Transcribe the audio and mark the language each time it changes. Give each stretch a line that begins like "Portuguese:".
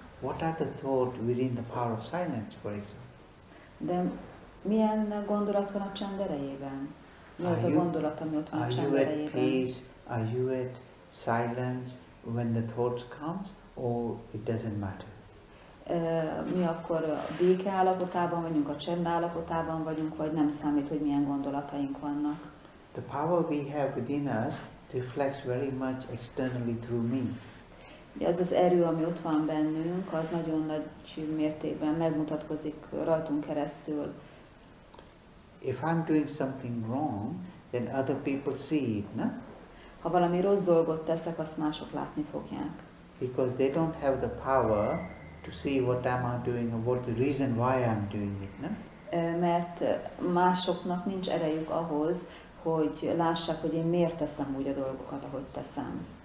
English: What are the thoughts within the power of silence, for example?
Hungarian: De milyen gondolat van a csenderejében? Mi az a gondolat, ami ott van a csenderejében?
English: Are you at peace? Are you at silence when the thoughts come? Or it doesn't matter?
Hungarian: Mi akkor a béke állapotában vagyunk, a csend állapotában vagyunk, vagy nem számít, hogy milyen gondolataink vannak?
English: The power we have within us reflects very much externally through me.
Hungarian: Az az erő, ami ott van bennünk, az nagyon nagy mértékben megmutatkozik rajtunk keresztül.
English: If I'm doing something wrong, then other people see it, no?
Hungarian: Ha valami rossz dolgot teszek, azt mások látni fogják.
English: Because they don't have the power to see what am I doing or what the reason why I'm doing it, no?
Hungarian: Mert másoknak nincs erejük ahhoz, hogy lássák, hogy én miért teszem úgy a dolgokat, ahogy teszem.